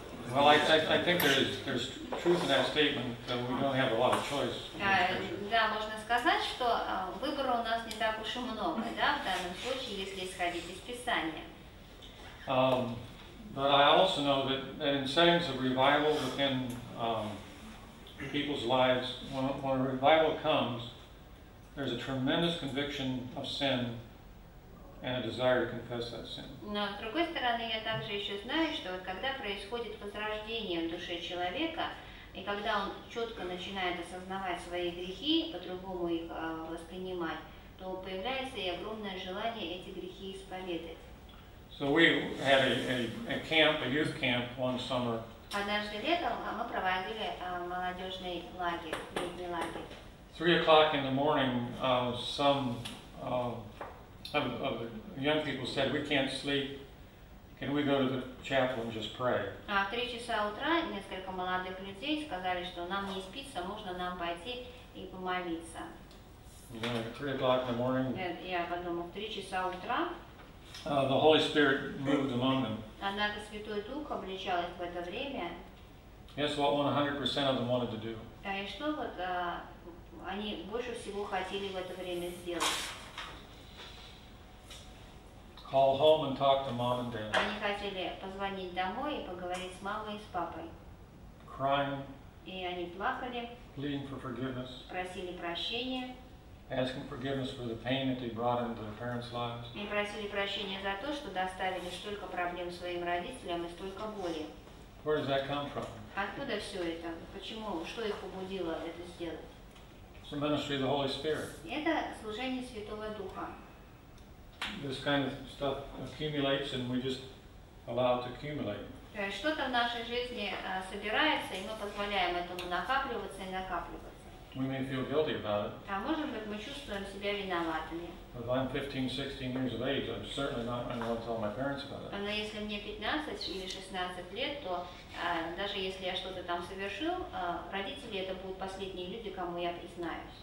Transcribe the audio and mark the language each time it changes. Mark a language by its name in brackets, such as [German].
[English] Well, I think there's truth in that statement that we don't have a lot of choice. [Russian] Да, можно сказать, что выбора у нас не так уж и много, да, в данном случае, если исходить из Писания. [English] But I also know that in settings of revival within people's lives, when a revival comes, there's a tremendous conviction of sin and a desire to confess that sin. [Russian] Но с другой стороны, я также еще знаю, что вот когда происходит возрождение в душе человека, и когда он четко начинает осознавать свои грехи, по-другому их воспринимать, то появляется и огромное желание эти грехи исповедать. [English] So we had a camp, a youth camp one summer. [Russian] Однажды летом мы проводили молодежный лагерь, летний лагерь. [English] 3 o'clock in the morning, some of the young people said, "We can't sleep. Can we go to the chapel and just pray?" [Russian] А в 3 часа утра несколько молодых людей сказали, что нам не спится, можно нам пойти и помолиться. [English] Then at 3 o'clock in the morning. [Russian] Я подумал, 3 часа утра. [English] The Holy Spirit moved among them. [Russian] Однако Святой Дух обличал их в это время. [English] Guess what? 100% of them wanted to do. [Russian] А и что вот? Они больше всего хотели в это время сделать. [English] Call home and talk to mom and dad. [Russian] Они хотели позвонить домой и поговорить с мамой и с папой. [English] Crying. [Russian] И они плакали. [English] Pleading for forgiveness. [Russian] Просили прощения. [English] Asking forgiveness for the pain that they brought into their parents' lives. [Russian] И просили прощения за то, что доставили столько проблем своим родителям и столько боли. [English] Where does that come from? [Russian] Откуда все это? Почему? Что их побудило это сделать? [English] The ministry of the Holy Spirit. [Russian] Это служение Святого Духа. [English] This kind of stuff accumulates, and we just allow it to accumulate. [Russian] Что-то в нашей жизни собирается, и мы позволяем этому накапливаться и накапливаться. [English] We may feel guilty about it. [Russian] А может быть, мы чувствуем себя виноватыми. [English] But if I'm 15, 16 years of age, I'm certainly not going to want to tell my parents about it. [Russian] Но если мне 15 или 16 лет, то даже если я что-то там совершил, родители это будут последние люди, кому я признаюсь.